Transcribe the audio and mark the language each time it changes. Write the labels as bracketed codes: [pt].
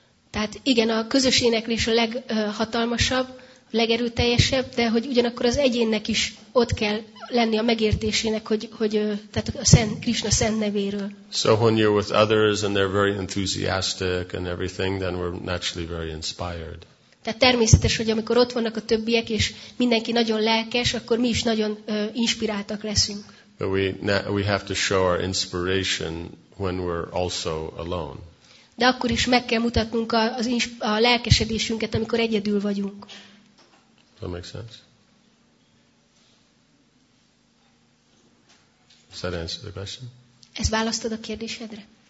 [hu] Tehát igen, a közös éneklés a leghatalmasabb, legerőteljesebb, de hogy ugyanakkor az egyénnek is ott kell lenni a megértésének, hogy tehát a szent Krishna szent nevéről. [en] So when you're with others and they're very enthusiastic and everything, then we're naturally very inspired. [hu] Tehát természetes, hogy amikor ott vannak a többiek és mindenki nagyon lelkes, akkor mi is nagyon inspiráltak leszünk. [en] But we have to show our inspiration when we're also alone. [hu] De akkor is meg kell mutatnunk a lelkesedésünket, amikor egyedül vagyunk. [en] That makes sense. Does that answer the question? [hu] Ez választod a kérdésedre?